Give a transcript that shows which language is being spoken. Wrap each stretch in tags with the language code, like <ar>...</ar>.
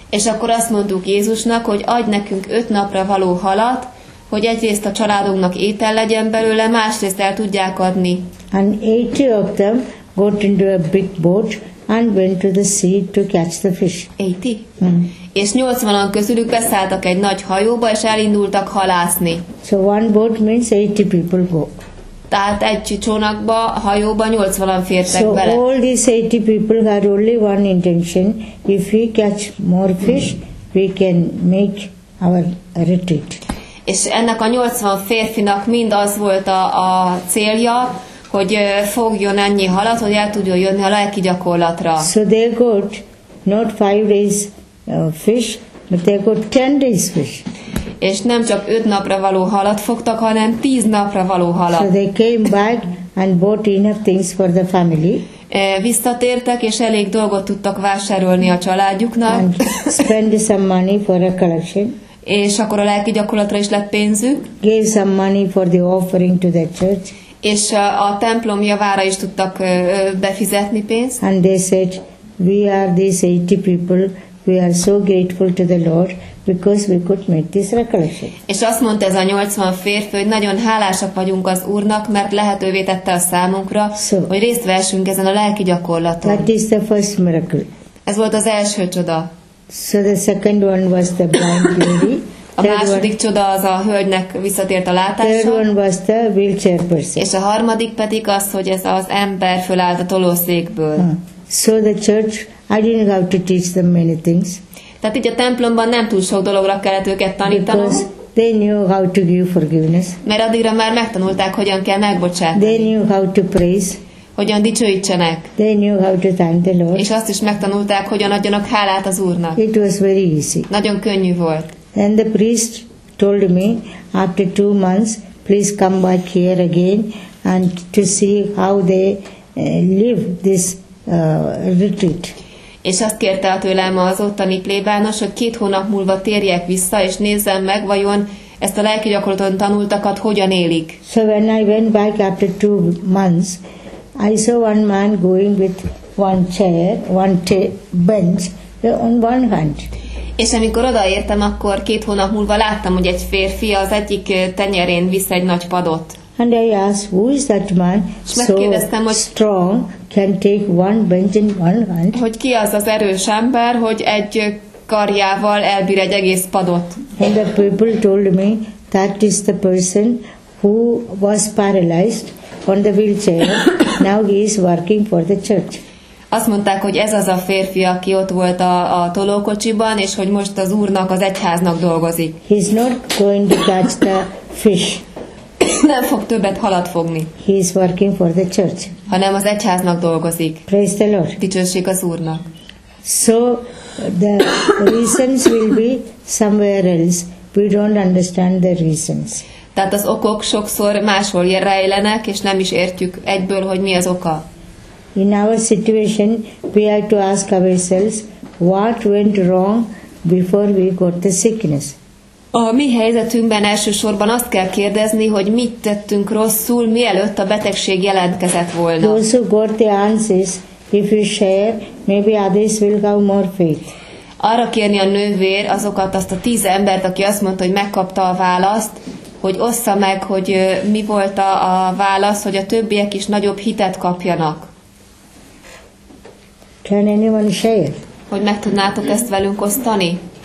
<hu>És akkor azt mondtuk Jézusnak, hogy adj nekünk 5 napra való halat, hogy egyrészt a családunknak étel legyen belőle, másrészt el tudják adni.</hu> <en>And 80 of them got into a big boat and went to the sea to catch the fish. 80? Mm.</en> <hu>És 80-an közülük beszálltak egy nagy hajóba, és elindultak halászni.</hu> <en>So one boat means 80 people go.</en> <hu>Tehát egy csónakba, hajóba 80-an fértek bele.</hu> <en>So all these 80 people had only one intention. If we catch more fish, we can make our retreat.</en> <hu>És ennek a 80 férfinak mind az volt a célja, hogy fogjon ennyi halat, hogy el tudjon jönni a lelki gyakorlatra.</hu> <en>So they got not 5 days fish, but they got 10 days fish.</en> <hu>És nem csak 5 napra való halat fogtak, hanem 10 napra való halat.</hu> <en>So they came back and bought enough things for the family.</en> <hu>Visszatértek, és elég dolgot tudtak vásárolni a családjuknak.</hu> <en>And spend some money for a collection.</en> <hu>És akkor a lelki gyakorlatra is lett pénzük.</hu> <en>Gave some money for the offering to the church.</en> <hu>És a templom javára is tudtak befizetni pénzt.</hu> <en>And they said, we are these 80 people, we are so grateful to the Lord, because we could make this recollection.</en> <hu>És azt mondta ez a 80 férfi, hogy nagyon hálásak vagyunk az Úrnak, mert lehetővé tette a számunkra, so, hogy részt vessünk ezen a lelki gyakorlaton.</hu> <en>That is the first miracle.</en> <hu>Ez volt az első csoda.</hu> <en>So the second one was the blind lady.</en> <hu>A második csoda az a hölgynek visszatért a látása.</hu> <en>Third one was the wheelchair person.</en> <hu>És a harmadik pedig az, hogy ez az ember fölállt a tolószékből.</hu> <en>So the church, I didn't have to teach them many things.</en> <hu>Tehát így a templomban nem túl sok dologra kellett őket tanítanom.</hu> <en>Because they knew how to give forgiveness.</en> <hu>Mert addigra már megtanulták, hogyan kell megbocsátani.</hu> <en>They knew how to praise.</en> <hu>Hogyan dicsőítsenek.</hu> <en>They knew how to thank the Lord.</en> <hu>És azt is megtanulták, hogyan adjanak hálát az Úrnak.</hu> <en>It was very easy.</en> <hu>Nagyon könnyű volt.</hu> <en>And the priest told me, after 2 months, please come back here again and to see how they live this retreat.</en> <hu>És azt kérte tőlem az ottani plébános, hogy 2 hónap múlva térjek vissza, és nézzem meg, vajon ezt a lelki gyakorlaton tanultakat hogyan élik.</hu> <en>So when I went back after 2 months, I saw one man going with one bench on one hand.</en> <hu>És amikor odaértem, akkor 2 hónap múlva láttam, hogy egy férfi az egyik tenyerén visz egy nagy padot.</hu> <en>And I asked, who is that man so strong, can take one bench in one hand?</en> <hu>Hogy ki az az erős ember, hogy egy karjával elbír egy egész padot?</hu> <en>And the people told me that is the person who was paralyzed on the wheelchair. Now he is working for the church.</en> <hu>Azt mondták, hogy ez az a férfi, aki ott volt a tolókocsiban, és hogy most az úrnak, az egyháznak dolgozik.</hu> <en>He is not going to catch the fish.</en> <hu>Nem fog többet halat fogni.</hu> <en>He is working for the church.</en> <hu>Hanem az egyháznak dolgozik.</hu> <en>Praise the Lord.</en> <hu>Dicsőség az úrnak.</hu> <en>So the reasons will be somewhere else. We don't understand the reasons.</en> <hu>Tehát az okok sokszor máshol rejlenek, és nem is értjük egyből, hogy mi az oka.</hu> <en>In our situation, we have to ask ourselves, what went wrong before we got the sickness.</en> <hu>A mi helyzetünkben elsősorban azt kell kérdezni, hogy mit tettünk rosszul, mielőtt a betegség jelentkezett volna.</hu> <en>Those who got the answers, if you share, maybe others will have more faith.</en> <hu>Arra kérni a nővér azokat, azt a 10 embert, aki azt mondta, hogy megkapta a választ, hogy ossza meg, hogy mi volt a válasz, hogy a többiek is nagyobb hitet kapjanak.</hu> <en>Can anyone share?</en> <hu>Hogy meg tudnátok ezt velünk osztani?</hu>